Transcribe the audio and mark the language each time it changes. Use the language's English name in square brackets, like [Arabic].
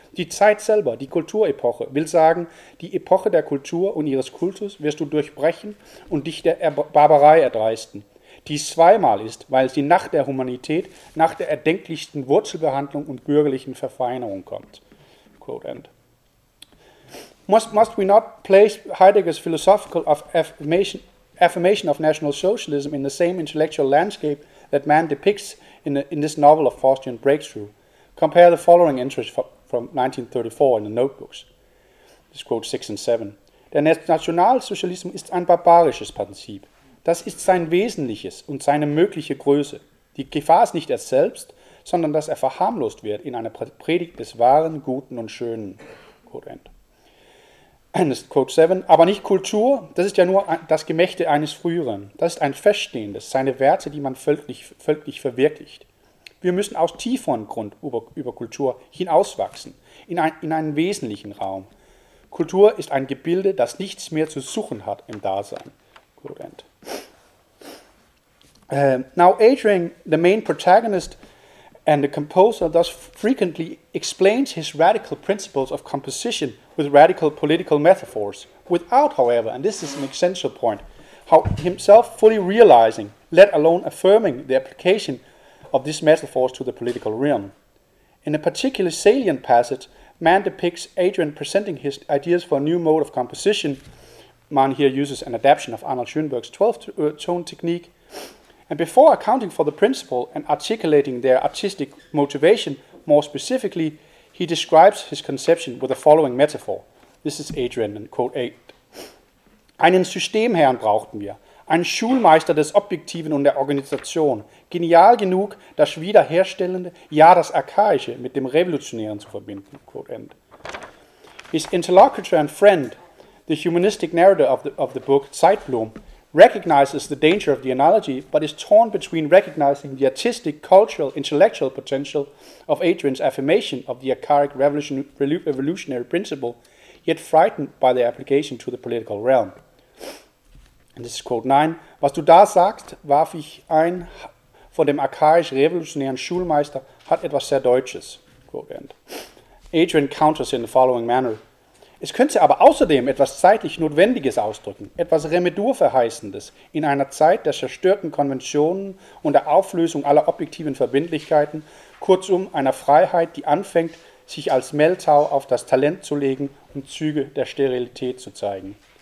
[German] Die Zeit selber, die Kulturepoche, will sagen, die Epoche der Kultur und ihres Kultus wirst du durchbrechen und dich der Barbarei erdreisten. Dies zweimal ist, weil sie nach der Humanität, nach der erdenklichsten Wurzelbehandlung und bürgerlichen Verfeinerung kommt. [English] Quote end. Must we not place Heidegger's philosophical affirmation of National Socialism in the same intellectual landscape that Mann depicts in this novel of Faustian breakthrough? Compare the following entries from 1934 in the notebooks. This quote 6 and 7. [German] Der Nationalsozialismus ist ein barbarisches Prinzip. Das ist sein Wesentliches und seine mögliche Größe. Die Gefahr ist nicht er selbst, sondern dass er verharmlost wird in einer Predigt des Wahren, Guten und Schönen. [English] Quote end. Quote 7, [German] aber nicht Kultur, das ist ja nur das Gemächte eines Früheren. Das ist ein Feststehendes, seine Werte, die man völlig verwirklicht. Wir müssen aus tieferem Grund über Kultur hinauswachsen, in einen wesentlichen Raum. Kultur ist ein Gebilde, das nichts mehr zu suchen hat im Dasein. [English] Quote end. Now Adrian, the main protagonist and the composer, thus frequently explains his radical principles of composition with radical political metaphors, without, however, and this is an essential point, how himself fully realizing, let alone affirming, the application of these metaphors to the political realm. In a particularly salient passage, Mann depicts Adrian presenting his ideas for a new mode of composition. Mann here uses an adaptation of Arnold Schoenberg's 12-tone technique. And before accounting for the principle and articulating their artistic motivation more specifically, he describes his conception with the following metaphor. This is Adrian in quote 8. [German] Einen Systemherrn brauchten wir, einen Schulmeister des Objektiven und der Organisation, genial genug, das Wiederherstellende, ja das Archaische mit dem Revolutionären zu verbinden. [English] Quote end. His interlocutor and friend, the humanistic narrator of the book Zeitblom, recognizes the danger of the analogy, but is torn between recognizing the artistic, cultural, intellectual potential of Adrian's affirmation of the archaic revolutionary principle, yet frightened by the application to the political realm. And this is quote 9. [German] Was du da sagst, warf ich ein, vor dem archaisch-revolutionären Schulmeister hat etwas sehr Deutsches. [English] Quote end. Adrian counters in the following manner. [German] Es könnte aber außerdem etwas zeitlich Notwendiges ausdrücken, etwas Remedurverheißendes in einer Zeit der zerstörten Konventionen und der Auflösung aller objektiven Verbindlichkeiten, kurzum einer Freiheit, die anfängt, sich als Mehltau auf das Talent zu legen und Züge der Sterilität zu zeigen.